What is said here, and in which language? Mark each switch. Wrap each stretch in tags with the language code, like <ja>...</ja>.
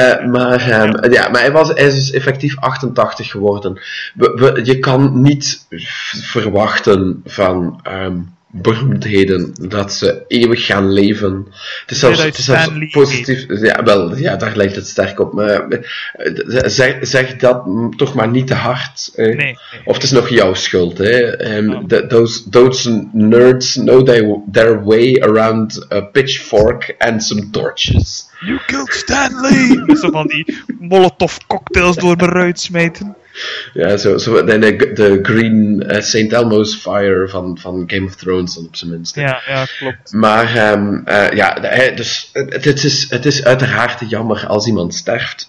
<nl>Maar hij is dus effectief 88 geworden. Je kan niet verwachten van beroemdheden, dat ze eeuwig gaan leven. Het is zelfs, positief. Ja, wel, ja, daar lijkt het sterk op. Maar zeg dat toch maar niet te hard. Nee. Of het is nog jouw schuld. Hè?</nl> <en>Those nerds know their way around a pitchfork and some torches. You killed Stan Lee!</en> <nl>Zo van die molotov cocktails door me ruit smeten. Ja, zo de Green St. Elmo's Fire van Game of Thrones, op zijn minst. Ja, ja, klopt. Maar het is uiteraard jammer als iemand sterft.</nl>